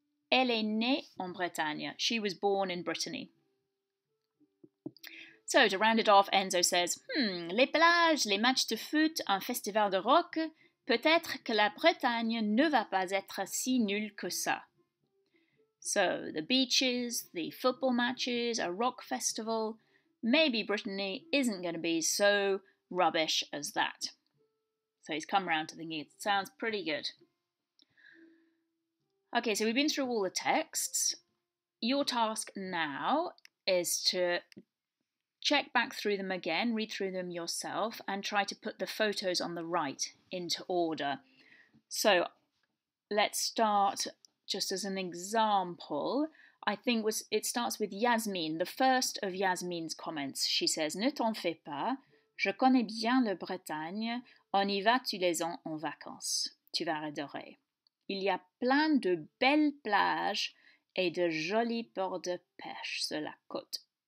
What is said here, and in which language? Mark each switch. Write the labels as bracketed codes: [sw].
[fr] Elle est née en Bretagne. [en] She was born in Brittany. So, to round it off, Enzo says, [fr] les plages, les matchs de foot, un festival de rock, peut-être que la Bretagne ne va pas être si nulle que ça. [en] So, the beaches, the football matches, a rock festival, maybe Brittany isn't going to be so rubbish as that. So he's come around to thinking it sounds pretty good. Okay, so we've been through all the texts. Your task now is to check back through them again, read through them yourself, and try to put the photos on the right into order. So let's start just as an example. I think it starts with Yasmine, the first of Yasmine's comments. She says, [fr] ne t'en fais pas, je connais bien le Bretagne, on y va tous les ans en vacances. Tu vas adorer. Il y a plein de belles plages et de jolis ports de pêche sur la côte.